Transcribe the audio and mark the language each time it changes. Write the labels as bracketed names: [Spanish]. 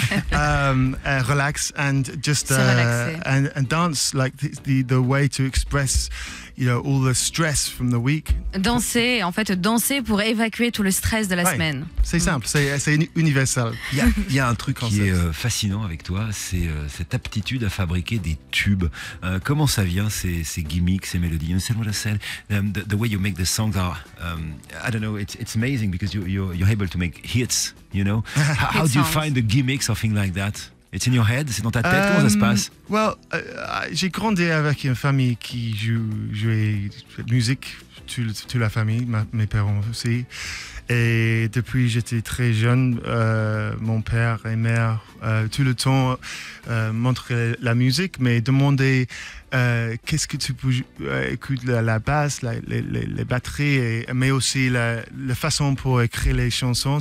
[English] relax and just and dance like the way to express, you know, all the stress from the week. [French] Danser, en fait, danser pour évacuer tout le stress de la semaine. C'est simple, c'est universel. Il y a un truc qui est fascinant avec toi, c'est cette aptitude à fabriquer des tubes. Comment ça vient, ces gimmicks, ces mélodies? [English] You know, what I said, the way you make the songs are, I don't know, it's amazing because you're able to make hits, you know. How do you find the gimmicks or things like that? It's in your head, [French] c'est dans ta tête, comment ça se passe? Well, j'ai grandi avec une famille qui jouait de musique, toute la famille, mes parents aussi. Et depuis que j'étais très jeune, mon père et mère, tout le temps, montraient la musique, mais demandaient qu'est-ce que tu peux écouter, la basse, les batteries, mais aussi la façon pour écrire les chansons.